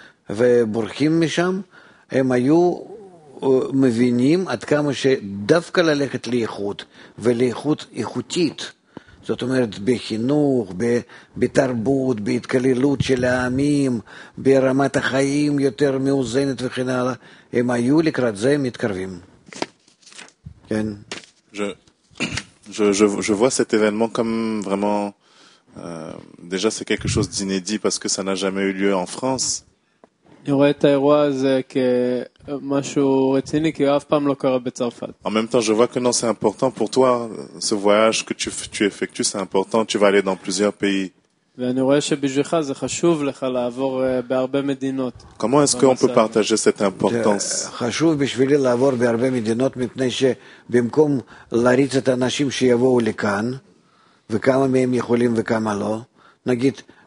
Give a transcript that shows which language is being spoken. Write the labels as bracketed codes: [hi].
[he] ובורחים משם, הם היו מבינים עד כמה שדווקא ללכת לאיחוד, ולאיחוד איכותית, זאת אומרת, בחינוך, בתרבות, בהתקללות של העמים, ברמת החיים יותר מאוזנת וכן הלאה, הם היו לקראת זה מתקרבים. כן. [fr] Je vois cet événement comme vraiment déjà c'est quelque chose d'inédit parce que ça n'a jamais eu lieu en France. [he] אני רואה את האירוע הזה כמשהו רציני, כי הוא אף פעם לא קרה בצרפת. [fr] En même temps, je vois que non, c'est important pour toi, ce voyage que tu effectues, c'est important, tu vas aller dans plusieurs pays. [he] ואני רואה שבשבילך זה חשוב לך לעבור בהרבה מדינות. [fr] Comment est-ce qu'on peut partager cette importance? [he] חשוב בשבילי לעבור בהרבה מדינות, מפני שבמקום להריץ את האנשים שיבואו לכאן, וכמה מהם יכולים וכמה לא, נגיד,